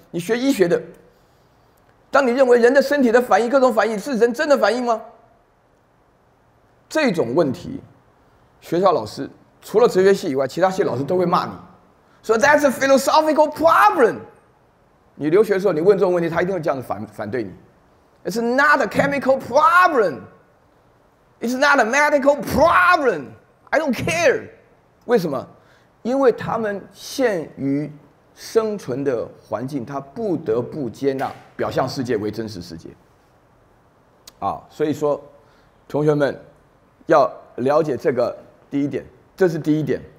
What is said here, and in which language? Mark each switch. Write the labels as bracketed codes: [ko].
[zh] 你学医学的，当你认为人的身体的反应，各种反应是人真的反应吗？这种问题，学校老师除了哲学系以外，其他系老师都会骂你，说 [en] that's a philosophical problem。 [zh] 你留学的时候，你问这种问题，他一定会这样子反对你。 [en] It's not a chemical problem. It's not a medical problem. I don't care. [zh] 为什么？因为他们陷于生存的环境，他不得不接纳表象世界为真实世界。啊，所以说，同学们要了解这个第一点，这是第一点。